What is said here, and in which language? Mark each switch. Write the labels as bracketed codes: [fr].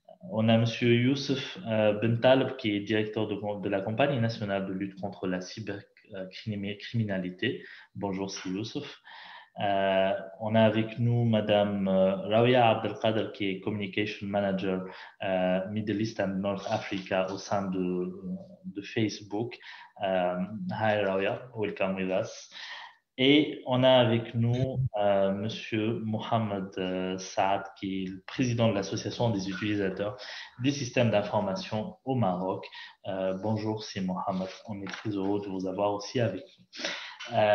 [fr] On a Monsieur Youssef Bentaleb, qui est directeur de la campagne nationale de lutte contre la cybercriminalité. Bonjour, c'est Youssef. On a avec nous Madame Rawia Abdelkader, qui est [en] Communication Manager Middle East and North Africa [fr] au sein de Facebook. [en] Hi Rawia, welcome with us. [fr] Et on a avec nous Monsieur Mohamed Saad, qui est le président de l'Association des utilisateurs des systèmes d'information au Maroc. Bonjour, c'est Mohamed. On est très heureux de vous avoir aussi avec nous.